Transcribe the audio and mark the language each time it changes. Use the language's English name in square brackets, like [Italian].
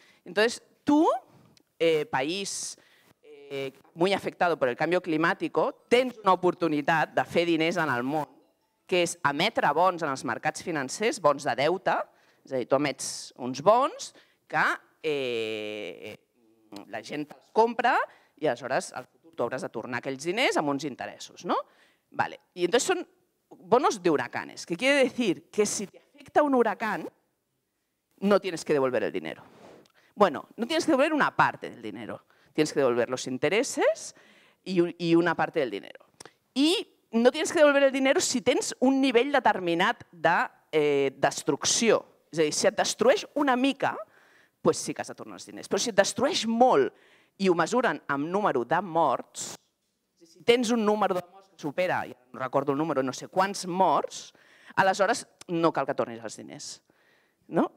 [Spanish] Entonces, tu, país muy afectado por el cambio climático, [Catalan] tens una oportunitat de fer diners en el món, que és emetre bons en els mercats financers, bons de deute, és a dir, tu emets uns bons que la gent els compra i aleshores tu hauràs de tornar aquells diners amb uns interessos. [Spanish] No? Vale. Y entonces son bonos de huracanes, que quiere decir que si te afecta un huracán, no tienes que devolver el dinero. Bueno, no tienes que devolver una parte del dinero, tienes que devolver los intereses y una parte del dinero. Y no tienes que devolver el dinero si tienes un nivel determinado de [Catalan] destrucció. És a dir, si et destrueix una mica, doncs sí que has de tornar els diners. Però si et destrueix molt i ho mesuren amb número de morts, si tens un número de morts que supera, ja no recordo el número, no sé quants morts, aleshores no cal que tornis els diners. No?